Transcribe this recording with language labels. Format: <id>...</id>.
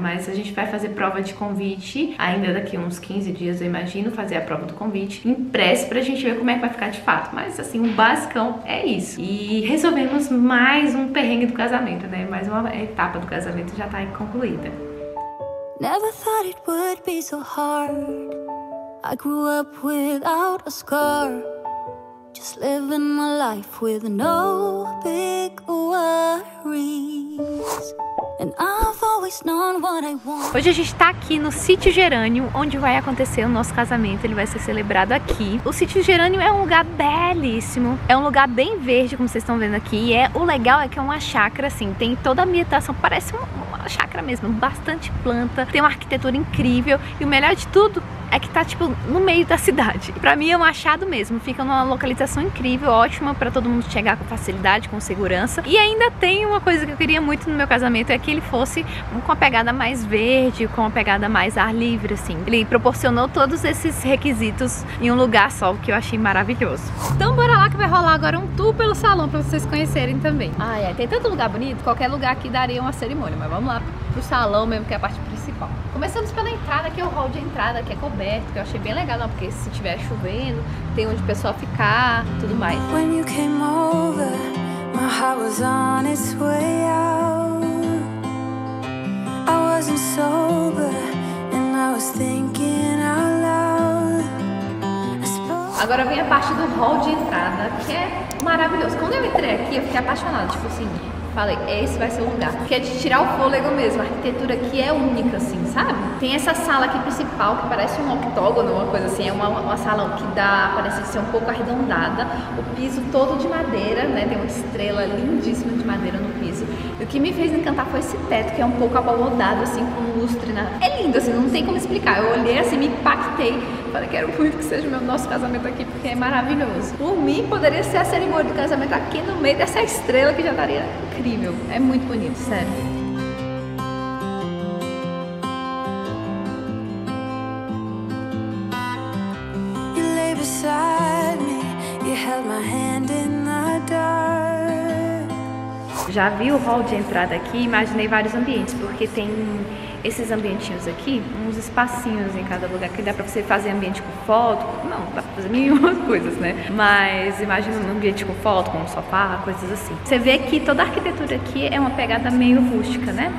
<pt>Mas a gente vai fazer prova de convite ainda daqui uns 15 dias, eu imagino, fazer a prova do convite impresso pra gente ver como é que vai ficar de fato. Mas assim, o basicão é isso. E resolvemos mais um perrengue do casamento, né? Mais uma etapa do casamento já tá aí concluída.</pt> <en>Never thought it would be so hard. I grew up without a scar. Just living my life with no big worries. And I've always known what I want.</en> <pt>Hoje a gente tá aqui no Sítio Gerânio, onde vai acontecer o nosso casamento. Ele vai ser celebrado aqui. O Sítio Gerânio é um lugar belíssimo. É um lugar bem verde, como vocês estão vendo aqui. E o legal é que é uma chácara, assim. Tem toda a ambientação, parece uma chácara mesmo. Bastante planta, tem uma arquitetura incrível. E o melhor de tudo é que tá, tipo, no meio da cidade. Pra mim é um achado mesmo, fica numa localização incrível, ótima pra todo mundo chegar com facilidade, com segurança. E ainda tem uma coisa que eu queria muito no meu casamento, é que ele fosse com a pegada mais verde, com a pegada mais ar livre, assim. Ele proporcionou todos esses requisitos em um lugar só, o que eu achei maravilhoso. Então bora lá que vai rolar agora um tour pelo salão pra vocês conhecerem também. Ah, é, tem tanto lugar bonito, qualquer lugar aqui daria uma cerimônia, mas vamos lá pro salão mesmo, que é a parte principal. Começamos pela entrada, que é o hall de entrada, que é coberto, que eu achei bem legal, não, porque se tiver chovendo, tem onde o pessoal ficar, tudo mais.</pt> <en>When you came over, my heart was on its way out. I wasn't sober, and I was thinking out loud.</en> <pt>Agora vem a parte do hall de entrada, que é maravilhoso. Quando eu entrei aqui, eu fiquei apaixonada, tipo assim, falei, esse vai ser o lugar. Porque é de tirar o fôlego mesmo. A arquitetura aqui é única, assim, sabe? Tem essa sala aqui principal, que parece um octógono, uma coisa assim. É uma sala que dá, parece ser um pouco arredondada. O piso todo de madeira, né? Tem uma estrela lindíssima de madeira no piso. E o que me fez encantar foi esse teto, que é um pouco abalodado, assim, com lustre, né? É lindo, assim, não tem como explicar. Eu olhei assim, me impactei. Falei, quero muito que seja o nosso casamento aqui, porque é maravilhoso. Por mim, poderia ser a cerimônia de casamento aqui no meio dessa estrela, que já estaria incrível. É muito bonito, sério.</pt> <en>You lay beside me, you held my hand in the dark.</en> <pt>Já vi o hall de entrada aqui e imaginei vários ambientes, porque tem esses ambientinhos aqui, uns espacinhos em cada lugar, que dá pra você fazer ambiente com foto, não, dá pra fazer nenhumas coisas, né? Mas imagina um ambiente com foto, com um sofá, coisas assim. Você vê que toda a arquitetura aqui é uma pegada meio rústica, né?</pt>